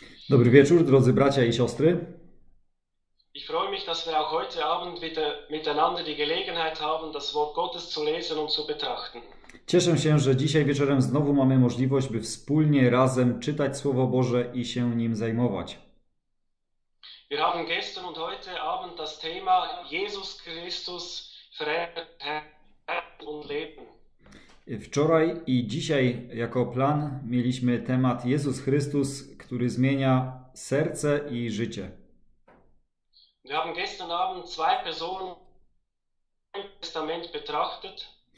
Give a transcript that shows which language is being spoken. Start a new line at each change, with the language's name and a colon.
Polish: Dobry wieczór, drodzy bracia i siostry.
German: Ich freue mich, dass wir auch heute Abend wieder miteinander die Gelegenheit haben, das Wort Gottes zu lesen und zu betrachten.
Polish: Cieszę się, że dzisiaj wieczorem znowu mamy możliwość, by wspólnie, razem czytać Słowo Boże i się nim zajmować.
German: Wir haben gestern und heute Abend das Thema Jesus Christus, Herr und Leben.
Polish: Wczoraj i dzisiaj jako plan mieliśmy temat Jezus Chrystus, który zmienia serce i życie.
German: Wir haben gestern Abend zwei Personen im Testament betrachtet.